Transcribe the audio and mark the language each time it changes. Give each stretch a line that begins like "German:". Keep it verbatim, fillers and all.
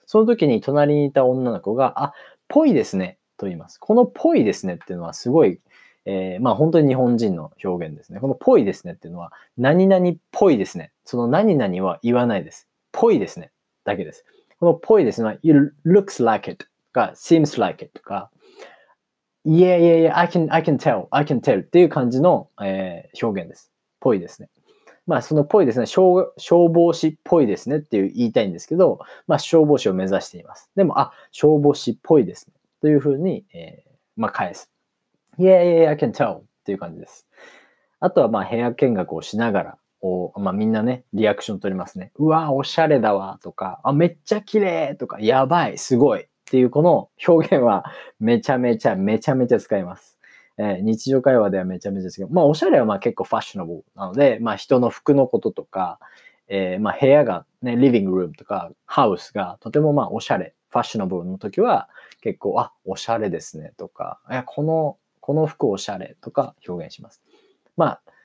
Japanese: その時に隣にいた女の子が、あ、ぽいですね、と言います。このぽいですねっていうのはすごい、えーまあ本当に日本人の表現ですね。このぽいですねっていうのは、何々っぽいですね。その何々は言わないです。ぽいですね、だけです。このぽいですねは、
English: you looks like it。か seems like it とか yeah yeah yeah I can, I can tell I can tell
Japanese: っていう感じの、えー表現です。ぽいですね。まあそのぽいですね、消、消防士っぽいですねっていう言いたいんですけど、まあ消防士を目指しています。でも、あ、消防士っぽいですね。というふうに、えーまあ返す。
English: yeah yeah yeah I can tell
Japanese: っていう感じです。あとはまあ部屋見学をしながら、おまあ、みんなね、リアクション取りますね。うわー、おしゃれだわとか、あ、めっちゃ綺麗とか、やばい、すごい。っていうこの表現はめちゃめちゃめちゃめちゃ使います。えー日常会話ではめちゃめちゃ使います。まあおしゃれはまあ結構ファッショナブルなので、まあ人の服のこととか、えーまあ部屋がね、リビングルームとかハウスがとてもまあおしゃれ、ファッショナブルの時は結構、あ、おしゃれですねとか、いやこのこの服おしゃれとか表現します。まあ